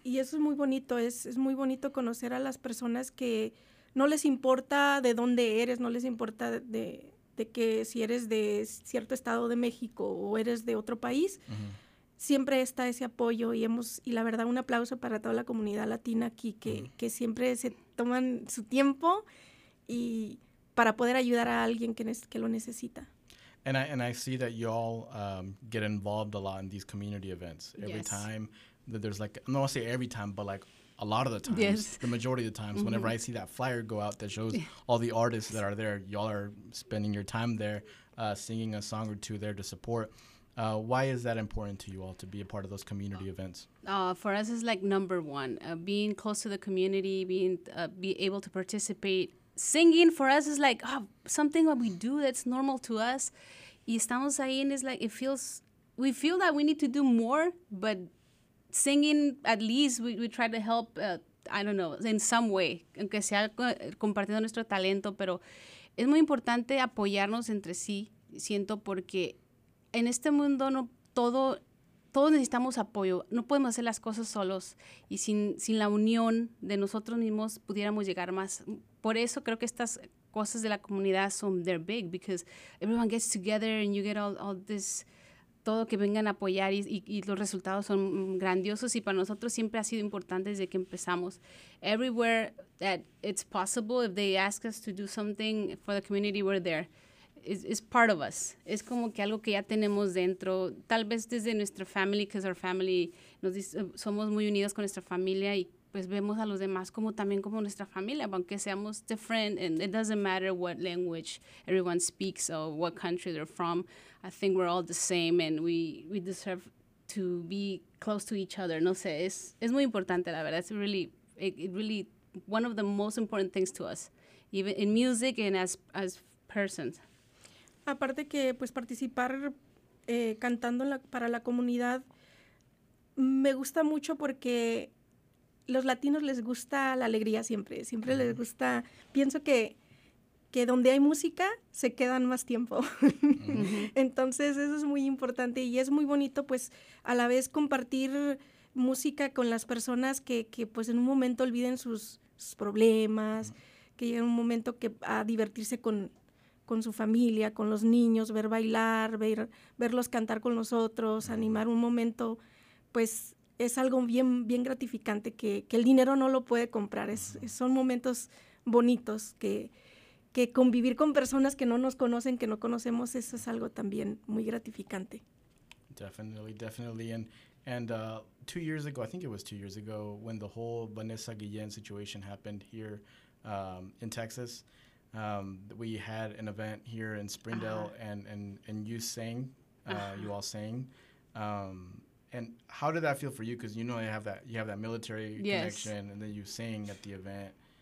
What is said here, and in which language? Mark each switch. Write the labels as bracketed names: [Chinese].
[Spanish] Y eso es muy bonito, es muy bonito conocer a las personas que no les importa de dónde eres, no les importa de que si eres de cierto estado de México o eres de otro país, siempre está ese apoyo y la verdad un aplauso para toda la comunidad latina aquí que siempre se toman su tiempo y para poder ayudar a alguien que lo necesita. [English] And I see that y'all get involved a lot in these community events. Every yes. time that there's like, no, I'll say every time, but like a lot of the times, yes. the majority of the times, mm-hmm. whenever I see that flyer go out that shows all the artists that are there, y'all are spending your time there singing a song or two there to support. Why is that important to you all to be a part of those community events? For us, it's like number one, being close to the community, being be able to participate. Singing for us is like something that we do that's normal to us. [Spanish] Y estamos ahí [English] and it's like we feel that we need to do more, but singing at least we try to help, I don't know, in some way. [Spanish] Aunque sea compartiendo nuestro talento, pero es muy importante apoyarnos entre sí, siento, porque en este mundo no todos necesitamos apoyo. No podemos hacer las cosas solos y sin la unión de nosotros mismos pudiéramos llegar más. Por eso creo que estas cosas de la comunidad [English] they're big, because everyone gets together and you get all this, [Spanish] todo que vengan a apoyar y los resultados son grandiosos. Y para nosotros siempre ha sido importante desde que empezamos. [English] Everywhere that it's possible, if they ask us to do something for the community, we're there. It's part of us. [Spanish] Es como que algo que ya tenemos dentro. Tal vez desde nuestra family, [English] because our family, [Spanish] somos muy unidos con nuestra familia y pues vemos a los demás como también como nuestra familia, aunque seamos [English] different, and it doesn't matter what language everyone speaks or what country they're from. I think we're all the same, and we deserve to be close to each other. [Spanish] No sé, es muy importante, la verdad. [English] It's really one of the most important things to us, even in music and as persons. [Spanish] Aparte que, pues, participar cantando para la comunidad, me gusta mucho porque los latinos les gusta la alegría siempre. Siempre les gusta. Pienso que donde hay música, se quedan más tiempo. Entonces, eso es muy importante. Y es muy bonito, pues, a la vez compartir música con las personas que pues, en un momento olviden sus problemas, que llegan un momento que a divertirse con su familia, con los niños, ver bailar, verlos cantar con nosotros, animar un momento, pues es algo bien, bien gratificante que el dinero no lo puede comprar. Son momentos bonitos que convivir con personas que no nos conocen, que no conocemos, eso es algo también muy gratificante. [English] Definitely, definitely. And 2 years ago, I think it was 2 years ago, when the whole Vanessa Guillen situation happened here in Texas, we had an event here in Springdale, and you sang, you all sang. And how did that feel for you? Because you know you have that military connection, and then you sang at the event.